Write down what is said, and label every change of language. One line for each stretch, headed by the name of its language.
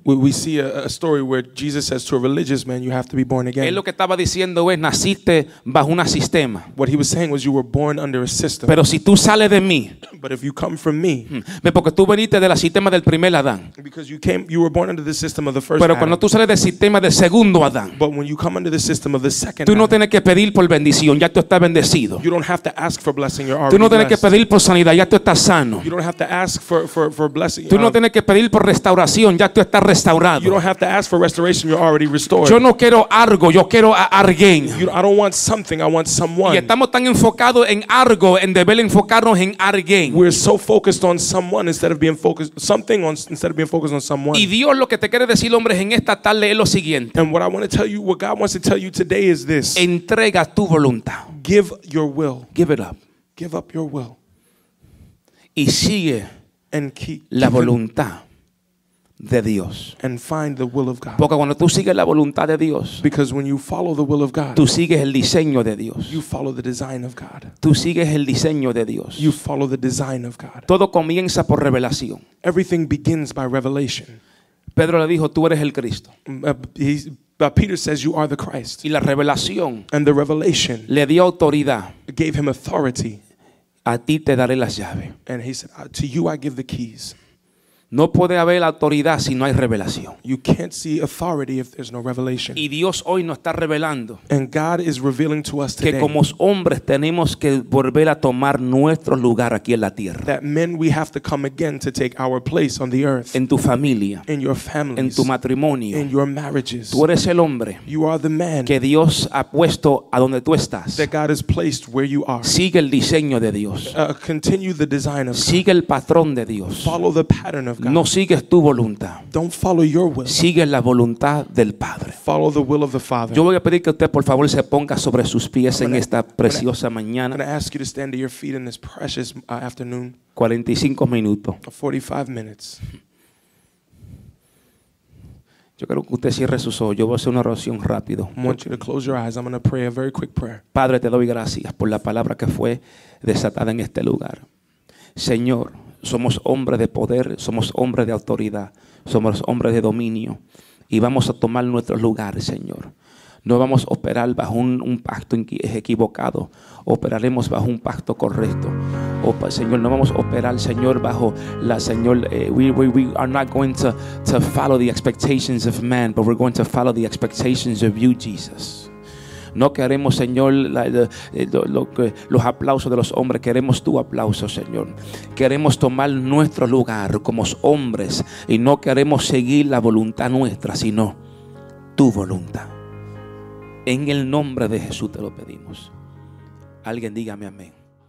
English: We see a story where Jesus says to a religious man, you have to be born again.
Spanish: Él lo que estaba diciendo es, naciste bajo un sistema.
English: What he was saying was, you were born under a system.
Spanish: Pero si tú sales de mí.
English: But if you come from me.
Spanish: Porque tú veniste del sistema del primer Adán.
English: Because you were born under the system of the first Adam.
Spanish: Pero cuando tú sales del sistema del segundo Adán.
English: But when you come under the system of the second
Spanish: Adam. Tú no tienes que pedir por bendición, ya tú estás bendecido.
English: You don't have to ask for blessing, you're already blessed.
Spanish: Tú no tienes que pedir por sanidad, ya tú estás sano.
English: You don't have to ask for blessing.
Spanish: Tú no tienes que pedir por restauración, ya tú estás restaurado.
English: You don't have to ask for restoration, you're already restored.
Spanish: Yo no quiero algo, yo quiero a alguien.
English: I don't want something, I want someone.
Spanish: Y estamos tan enfocados en algo en deber enfocarnos en alguien.
English: We're so focused on someone instead of being focused something on instead of being focused on someone.
Spanish: Y Dios lo que te quiere decir, hombre, en esta tarde es lo siguiente.
English: And what I want to tell you, what God wants to tell you today is this.
Spanish: Entrega tu voluntad.
English: Give your will. Give it up. Give up your will.
Spanish: Y sigue la voluntad de Dios.
English: And find the will of God.
Spanish: Porque cuando tú sigues la voluntad de Dios,
English: because when you follow the will of God,
Spanish: tú sigues el diseño de Dios.
English: You follow the design of God.
Spanish: Tú sigues el diseño de Dios.
English: You follow the design of God.
Spanish: Todo comienza por revelación.
English: Everything begins by revelation.
Spanish: Pedro le dijo, tú eres el Cristo.
English: But Peter says, you are the Christ.
Spanish: Y la revelación,
English: and the revelation,
Spanish: le dio autoridad,
English: gave him authority.
Spanish: A ti te daré las llaves.
English: And he said, to you I give the keys.
Spanish: No puede haber autoridad si no hay revelación.
English: You can't see authority if there's no revelation.
Spanish: Y Dios hoy nos está revelando.
English: And God is revealing to us today.
Spanish: Que como hombres tenemos que volver a tomar nuestro lugar aquí en la tierra.
English: That men we have to come again to take our place on the earth.
Spanish: En tu familia.
English: In your families.
Spanish: En tu matrimonio.
English: In your marriages.
Spanish: Tú eres el hombre.
English: You are the man.
Spanish: Que Dios ha puesto a donde tú estás.
English: That God has placed where you are.
Spanish: Sigue el diseño de Dios.
English: Continue the design of God.
Spanish: Sigue el patrón de Dios.
English: Follow the pattern of God.
Spanish: No sigues tu voluntad.
English: Don't follow your will.
Spanish: Sigue la voluntad del Padre.
English: Follow the will of the Father.
Spanish: Yo voy a pedir que usted por favor se ponga sobre sus pies en esta preciosa mañana.
English: I'm going to ask you to stand to your feet in this precious afternoon.
Spanish: 45 minutos.
English: 45 minutes.
Spanish: Yo quiero que usted cierre sus ojos. Yo voy a hacer una oración rápido.
English: I want you to close your eyes. I'm going to pray a very quick prayer.
Spanish: Padre, te doy gracias por la palabra que fue desatada en este lugar. Señor, somos hombres de poder, somos hombres de autoridad, somos hombres de dominio y vamos a tomar nuestro lugar, Señor. No vamos a operar bajo un pacto equivocado, operaremos bajo un pacto correcto. Señor, no vamos a operar, Señor, bajo la Señor.
English: We are not going to follow the expectations of man, but we're going to follow the expectations of you, Jesus.
Spanish: No queremos, Señor, los aplausos de los hombres. Queremos tu aplauso, Señor. Queremos tomar nuestro lugar como hombres. Y no queremos seguir la voluntad nuestra, sino tu voluntad. En el nombre de Jesús te lo pedimos. Alguien dígame amén.